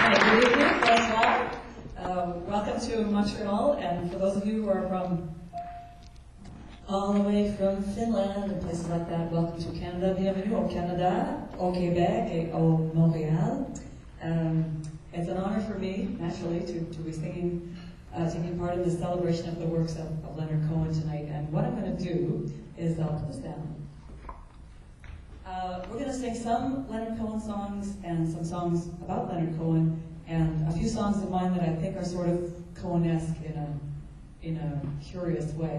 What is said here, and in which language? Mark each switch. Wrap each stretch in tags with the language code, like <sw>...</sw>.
<en>Good evening,</en> <fr>bonsoir.</fr> <en>Welcome to Montreal, and for those of you who are from all the way from Finland and places like that, welcome to Canada.</en> <fr>Bienvenue au Canada, au Québec, et au Montréal.</fr> <en>It's an honor for me, naturally, to be singing, taking part in the celebration of the works of Leonard Cohen tonight. And what I'm going to do is I'll put this down. We're going to sing some Leonard Cohen songs and some songs about Leonard Cohen and a few songs of mine that I think are sort of Cohen-esque in a curious way.</en>